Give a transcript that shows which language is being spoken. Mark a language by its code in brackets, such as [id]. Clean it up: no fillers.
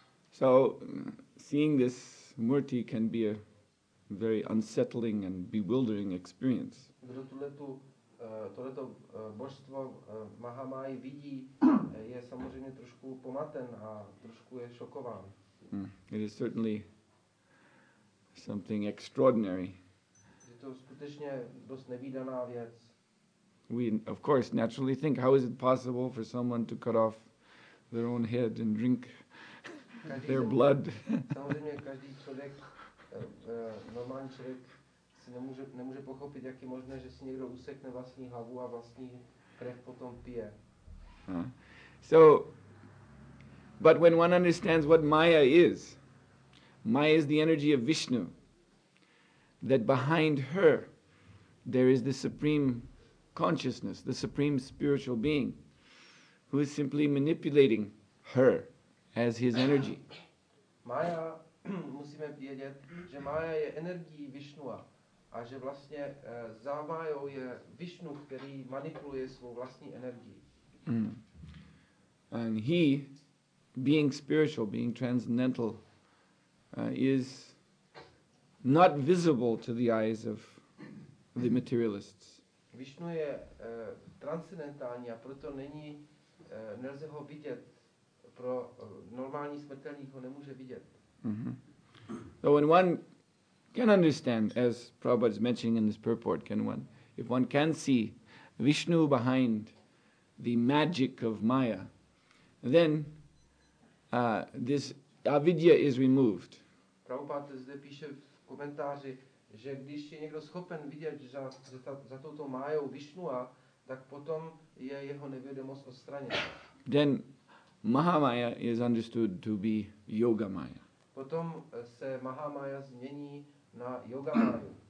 [en] So, seeing this Murti can be a very unsettling and bewildering experience. [cs] Kdo tohleto božstvo Mahamayi vidí, je samozřejmě trošku pomaten a trošku je šokován. [en] It is certainly something extraordinary. [cs] Je to skutečně dost nevídaná věc. [en] We, of course, naturally think, how is it possible for someone to cut off their own head and drink their blood? [cs] Samozřejmě každý člověk, normální člověk, si nemůže pochopit, jak je možné, že si někdo usekne vlastní hlavu a vlastní krev potom pije. [en] So, but when one understands what Maya is the energy of Vishnu, that behind her, there is the supreme consciousness, the supreme spiritual being, who is simply manipulating her as his energy. [cs] Maya, musíme vědět, že Maya je energií Vishnua a že vlastně za Mayou je Vishnu, který manipuluje svou vlastní energii. [en] And he, being spiritual, being transcendental, is not visible to the eyes of the materialists. [cs] Vishnu je transcendentální a proto není, nelze ho vidět, pro normální smrtelní ho nemůže vidět. [en] So when one can understand, as Prabhupada is mentioning in this purport, if one can see Vishnu behind the magic of Maya, then this avidya is removed. [cs] Prabhupada zde píše v komentáři, že když je někdo schopen vidět za touto Mayou Vishnua, tak potom je jeho nevědomost odstraněna. [en] Then Mahamaya is understood to be Yoga Maya. [cs] Potom se Mahamaya změní na Yoga Mayu.